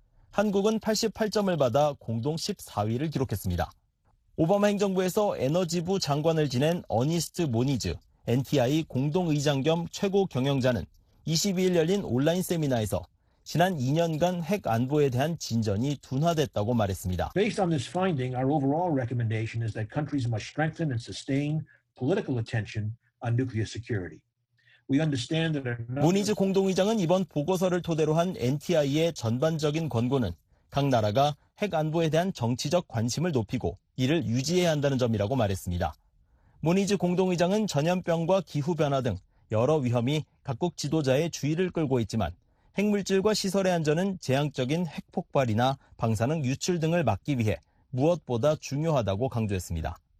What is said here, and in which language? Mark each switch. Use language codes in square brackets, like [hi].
[ko] 한국은 88점을 받아 공동 14위를 기록했습니다. 오바마 행정부에서 에너지부 장관을 지낸 어니스트 모니즈, NTI 공동의장 겸 최고 경영자는 22일 열린 온라인 세미나에서 지난 2년간 핵 안보에 대한 진전이 둔화됐다고 말했습니다. [en] Based on this finding, our overall recommendation is that countries must strengthen and sustain political attention on nuclear security. We understand that. [ko] 문희즈 공동의장은 이번 보고서를 토대로 한 NTI의 전반적인 권고는 각 나라가 핵 안보에 대한 정치적 관심을 높이고 이를 유지해야 한다는 점이라고 말했습니다. 문희즈 공동의장은 전염병과 기후변화 등 여러 위험이 각국 지도자의 주의를 끌고 있지만 핵물질과 시설의 안전은 재앙적인 핵폭발이나 방사능 유출 등을 막기 위해 무엇보다 중요하다고 강조했습니다.